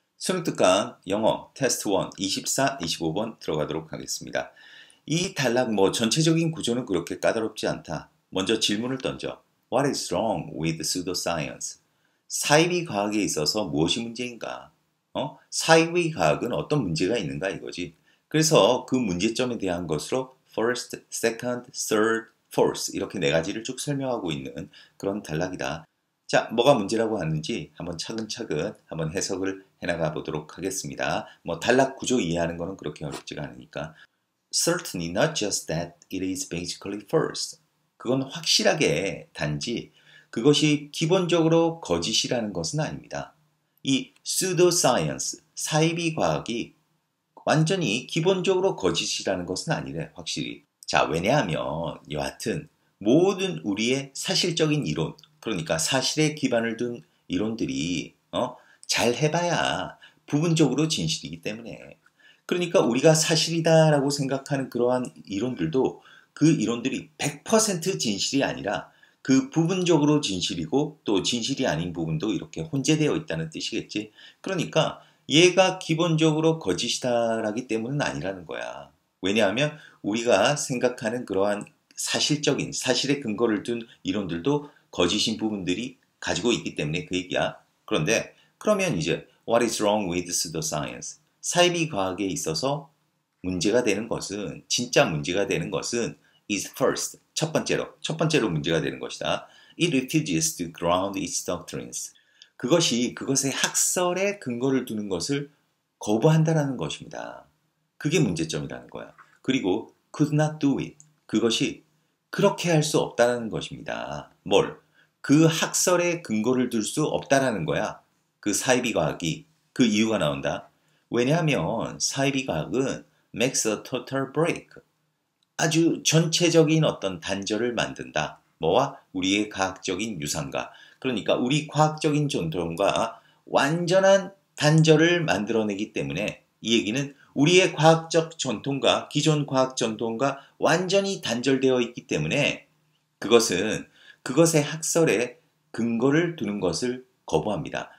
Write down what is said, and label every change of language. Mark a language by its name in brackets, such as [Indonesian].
[Korean] 수능특강 영어 테스트 1 24, 25번 들어가도록 하겠습니다. 이 단락 뭐 전체적인 구조는 그렇게 까다롭지 않다. 먼저 질문을 던져. [English] What is wrong with pseudoscience? [Korean] 사이비 과학에 있어서 무엇이 문제인가? 사이비 과학은 어떤 문제가 있는가 이거지. 그래서 그 문제점에 대한 것으로 first, second, third, fourth 이렇게 네 가지를 쭉 설명하고 있는 그런 단락이다. 자, 뭐가 문제라고 하는지 한번 차근차근 한번 해석을 해나가 보도록 하겠습니다. 뭐 단락 구조 이해하는 거는 그렇게 어렵지가 않으니까. [English] Certainly not just that it is basically first. [Korean] 그건 확실하게 단지 그것이 기본적으로 거짓이라는 것은 아닙니다. 이 pseudoscience, 사이비 과학이 완전히 기본적으로 거짓이라는 것은 아니래, 확실히. 자, 왜냐하면 여하튼 모든 우리의 사실적인 이론, 그러니까 사실에 기반을 둔 이론들이 잘 해봐야 부분적으로 진실이기 때문에, 그러니까 우리가 사실이다라고 생각하는 그러한 이론들도 그 이론들이 100% 진실이 아니라 그 부분적으로 진실이고 또 진실이 아닌 부분도 이렇게 혼재되어 있다는 뜻이겠지. 그러니까 얘가 기본적으로 거짓이다라기 때문은 아니라는 거야. 왜냐하면 우리가 생각하는 그러한 사실적인 사실의 근거를 둔 이론들도 거짓인 부분들이 가지고 있기 때문에 그 얘기야. 그런데 그러면 이제 [English] What is wrong with pseudoscience? [Korean] 사이비 과학에 있어서 문제가 되는 것은, 진짜 문제가 되는 것은 [English] is first, [Korean] 첫 번째로 문제가 되는 것이다. [English] It refuses to ground its doctrines. [Korean] 그것이 그것의 학설에 근거를 두는 것을 거부한다라는 것입니다. 그게 문제점이라는 거야. 그리고 [English] could not do it. [Korean] 그것이 그렇게 할 수 없다라는 것입니다. 뭘? 그 학설에 근거를 둘 수 없다라는 거야. 그 사이비 과학이 그 이유가 나온다. 왜냐하면 사이비 과학은 [English] makes a total break. [Korean] 아주 전체적인 어떤 단절을 만든다. 뭐와? 우리의 과학적인 유산과, 그러니까 우리 과학적인 존엄과 완전한 단절을 만들어내기 때문에 이 얘기는 우리의 과학적 전통과 기존 과학 전통과 완전히 단절되어 있기 때문에 그것은 그것의 학설에 근거를 두는 것을 거부합니다.